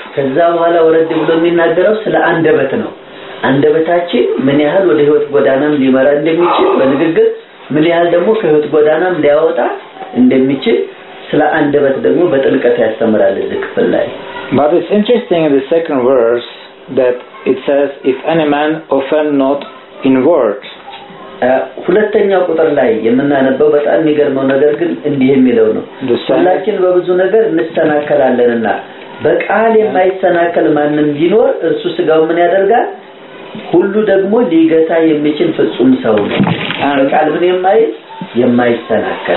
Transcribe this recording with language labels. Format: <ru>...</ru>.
<am>ከዛ በኋላ ወረድ ብሎ የሚናገረው ስለ አንደበት ነው አንደበታችን ምን ያህል ወደ ህይወት ጎዳናም ሊመራ እንደሚችል በንግግር ምን ያህል ደግሞ ከህይወት ጎዳናም ሊያወጣ እንደሚችል ስለ አንደበት ደግሞ በጥልቀት ያስተምራል ለክፍል ላይ</am> <en>But it's interesting in the second verse that it says if any man often not in word</en> <am>ሁለተኛው ቁጥር ላይ የምናነበው በጣም የሚገርመው ነገር ግን እንዲህ የሚለው ነው ሁላችን በብዙ ነገር እንስተናከላለንና በቃል የማይተናከል ማንም ቢኖር እሱ ስጋው ምን ያደርጋል ሁሉ ደግሞ ሊገታ የሚችል ፍጹም ሰው ነው ቃል ምን የማይተናከል</am>